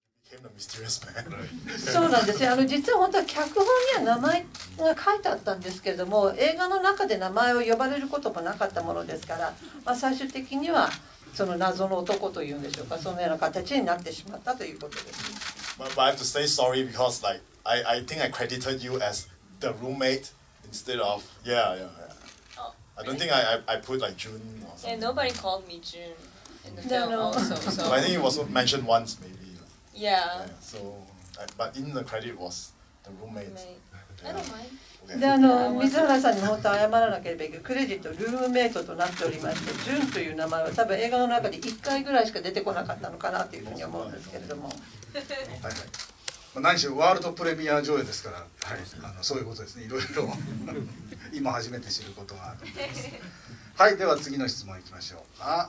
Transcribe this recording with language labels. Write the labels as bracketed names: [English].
[Japanese] 変なミステリアスマン。そうなんですよ。実は本当は脚本には名前が書いてあったんですけれども、映画の中で名前を呼ばれることもなかったものですから、まあ、最終的にはその謎の男というんでしょうか、そのような形になってしまったということです。 [English] But I have to say sorry because like I think I credited you as the roommate instead of I don't think I put like June or something. Yeah, nobody called me June in the film also. So I think it was mentioned once maybe. Yeah. So but in the credit was the roommate. I don't mind. [Japanese] で水原さんに本当謝らなければいけない。クレジットルームメイトとなっておりまして、ジュンという名前は多分映画の中で1回ぐらいしか出てこなかったのかなというふうに思うんですけれども、はいはい、まあ、何しろワールドプレミア上映ですから、はい、そういうことですね、いろいろ今初めて知ることがあると思います。はい、では次の質問いきましょうか。